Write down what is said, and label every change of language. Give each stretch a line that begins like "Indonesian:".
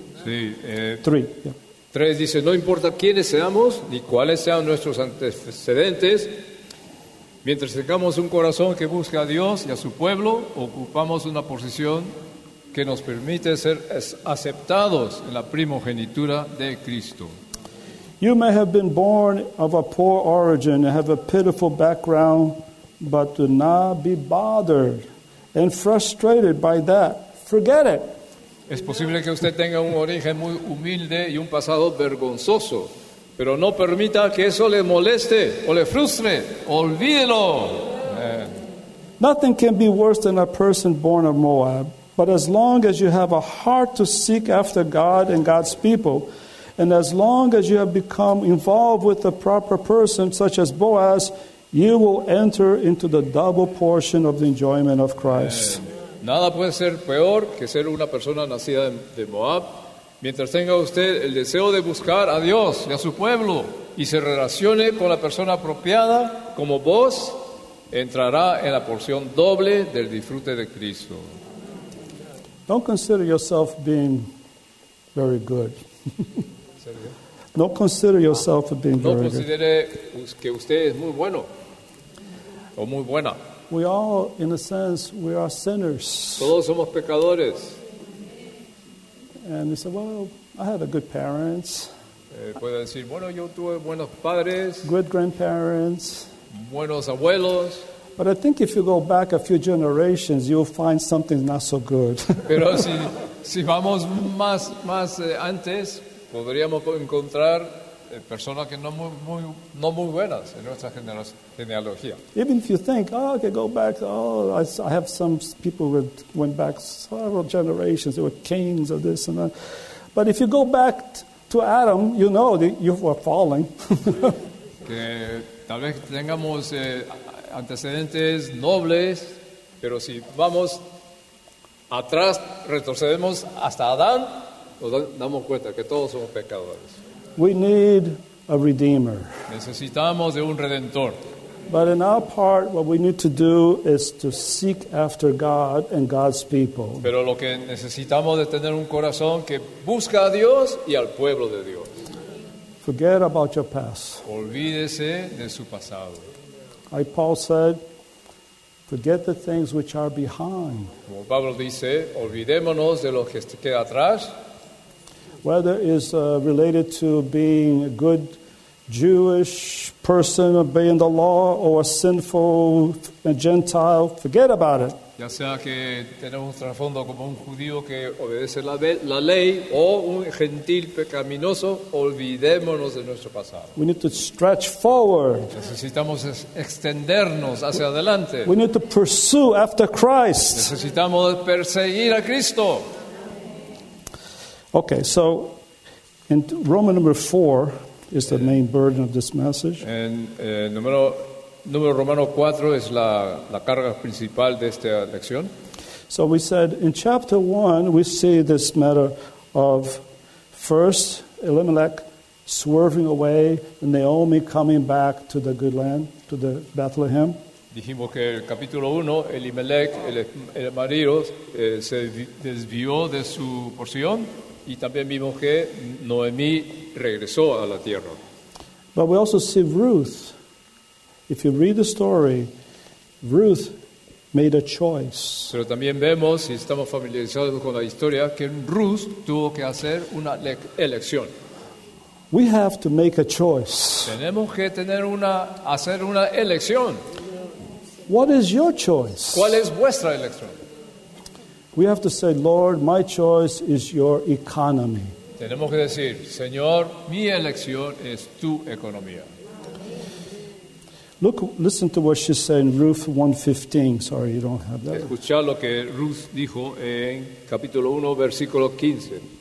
Spanish: Sí,
English: 3. Yeah.
Spanish: 3 dice, no importa quiénes seamos ni cuáles sean nuestros antecedentes, mientras tengamos un corazón que busca a Dios y a su pueblo, ocupamos una posición que nos permite ser aceptados en la primogenitura de Cristo.
English: You may have been born of a poor origin and have a pitiful background, but do not be bothered and frustrated by that. Forget it.
Spanish: Es posible que usted tenga un origen muy humilde y un pasado vergonzoso, pero no permita que eso le moleste o le frustre. Olvídelo. Man.
English: Nothing can be worse than a person born of Moab. But as long as you have a heart to seek after God and God's people, and as long as you have become involved with the proper person, such as Boaz, you will enter into the double portion of the enjoyment of Christ. Man.
Spanish: Nada puede ser peor que ser una persona nacida de Moab. Mientras tenga usted el deseo de buscar a Dios y a su pueblo y se relacione con la persona apropiada como vos, entrará en la porción doble del disfrute de Cristo.
English: Don't consider yourself being very good. Don't consider yourself being very good.
Spanish: No considere que usted es muy bueno o muy buena.
English: We all, in a sense, we are sinners.
Spanish: Todos somos pecadores.
English: And they say, well, I have a good parents.
Spanish: Puede decir, bueno, yo tuve buenos padres.
English: Good grandparents.
Spanish: Buenos abuelos.
English: But I think if you go back a few generations, you'll find something not so good.
Spanish: Pero si vamos más antes, podríamos encontrar personas que no muy buenas en nuestra genealogía.
English: Even if you think, oh, okay, go back. Oh, I have some people who went back several generations. They were kings or this and that. But if you go back to Adam, you know that you were falling.
Spanish: Que tal vez tengamos antecedentes nobles, pero si vamos atrás, retrocedemos hasta Adán, nos damos cuenta que todos somos pecadores.
English: We need a redeemer.
Spanish: Necesitamos de un redentor.
English: But in our part, what we need to do is to seek after God and God's people.
Spanish: Pero lo que necesitamos es tener un corazón que busca a Dios y al pueblo de Dios.
English: Forget about your past.
Spanish: Olvídese de su pasado.
English: Like Paul said, forget the things which are behind.
Spanish: Como Pablo dice, olvidémonos de lo que queda atrás.
English: Whether it's related to being a good Jewish person, obeying the law, or a sinful Gentile, forget about it.
Spanish: Ya sea que tenemos un trasfondo como un judío que obedece la ley, o un gentil pecaminoso, olvidémonos de nuestro pasado.
English: We need to stretch forward.
Spanish: Necesitamos extendernos hacia adelante.
English: We need to pursue after Christ.
Spanish: Necesitamos perseguir a Cristo.
English: Okay, so in Roman number 4 is the main burden of this message.
Spanish: En número Romano 4 es la carga principal de esta lección.
English: So we said in chapter 1 we see this matter of first Elimelech swerving away and Naomi coming back to the good land, to the Bethlehem.
Spanish: Dijimos que el capítulo 1 Elimelech, el marido, se desvió de su porción. Y también vimos que Noemí regresó a la tierra.
English: But we also see Ruth. If you read the story, Ruth made a choice.
Spanish: Pero también vemos, si estamos familiarizados con la historia, que Ruth tuvo que hacer una elección.
English: We have to make a choice.
Spanish: Tenemos que hacer una elección.
English: What is your choice?
Spanish: ¿Cuál es vuestra elección?
English: We have to say, Lord, my choice is your economy.
Spanish: Tenemos que decir, Señor, mi elección es tu economía.
English: Listen to what she said in Ruth 1:15. Sorry, you don't have that.
Spanish: Escucha lo que Ruth dijo en capítulo 1, versículo 15.